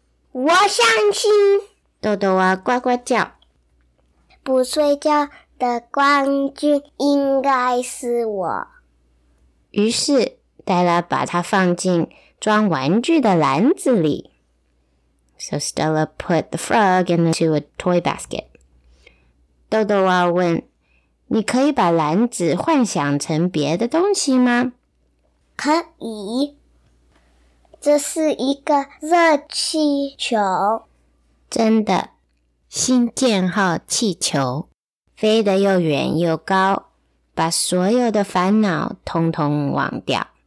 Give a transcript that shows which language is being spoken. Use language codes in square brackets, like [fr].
[zh] 我相信。豆豆娃呱呱叫。不睡觉的冠军应该是我。于是黛拉把它放进装玩具的篮子里。 [en] So Stella put the frog into a toy basket. [zh] 豆豆娃问，你可以把篮子幻想成别的东西吗？可以。这是一个热气球。真的，星舰号气球飞得又远又高，把所有的烦恼统统忘掉。